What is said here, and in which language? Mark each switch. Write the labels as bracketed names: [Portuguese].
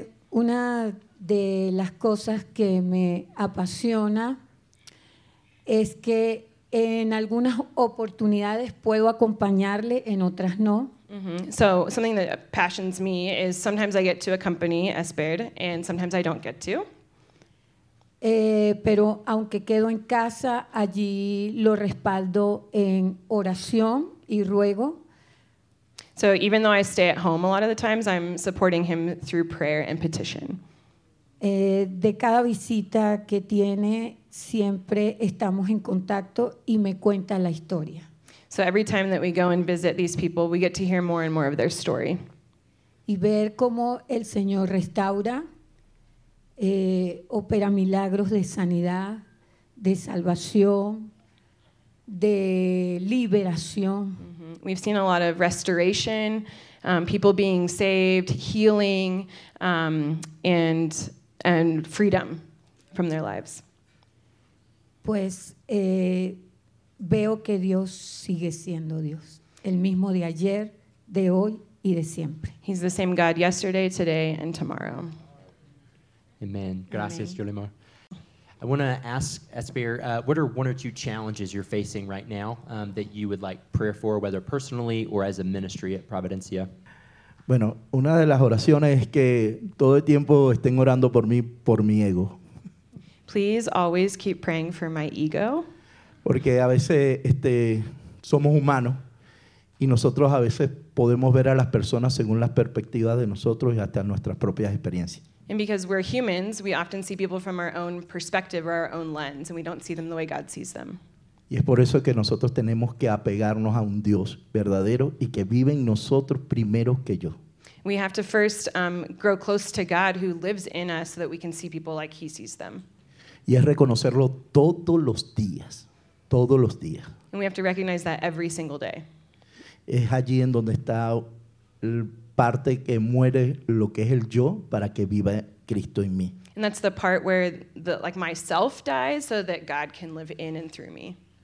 [Spanish] Una de las cosas que me apasiona es que en algunas oportunidades puedo acompañarle, en otras no. Mm-hmm. [English] So, something that passions me is sometimes I get to accompany Esper and sometimes I don't get to. [Spanish] Pero aunque quedo en casa, allí lo respaldo en oración y ruego. [English] So even though I stay at home a lot of the times, I'm supporting him through prayer and petition. [Spanish] De cada visita que tiene, siempre estamos en contacto y me cuenta la historia. [English] So every time that we go and visit these people, we get to hear more and more of their story. [Spanish] Y ver cómo el Señor restaura, opera milagros de sanidad, de salvación, de liberación. [English] We've seen a lot of restoration, people being saved, healing, and freedom from their lives. [Spanish] Pues veo que Dios sigue siendo Dios, el mismo de ayer, de hoy y de siempre. [English] He's the same God yesterday, today, and tomorrow. [Spanish] Amen. Gracias, Yolimar. [English] I want to ask Esper, what are one or two challenges you're facing right now that you would like prayer for, whether personally or as a ministry at Providencia? [Spanish] Bueno, una de las oraciones es que todo el tiempo estén orando por mí, por mi ego. [English] Please always keep praying for my ego. [Spanish] Porque a veces somos humanos y nosotros a veces podemos ver a las personas según las perspectivas de nosotros y hasta nuestras propias experiencias. [English] And because we're humans, we often see people from our own perspective or our own lens, and we don't see them the way God sees them. [Spanish] Y es por eso que nosotros tenemos que apegarnos a un Dios verdadero y que vive en nosotros primero que yo. [English] We have to first grow close to God who lives in us so that we can see people like he sees them. [Spanish] Y es reconocerlo todos los días, todos los días. [English] And we have to recognize that every single day. [Spanish] Es allí en donde está el parte que muere lo que es el yo para que viva Cristo en mí. [English] And that's the part where like myself dies so that God can live in and through me.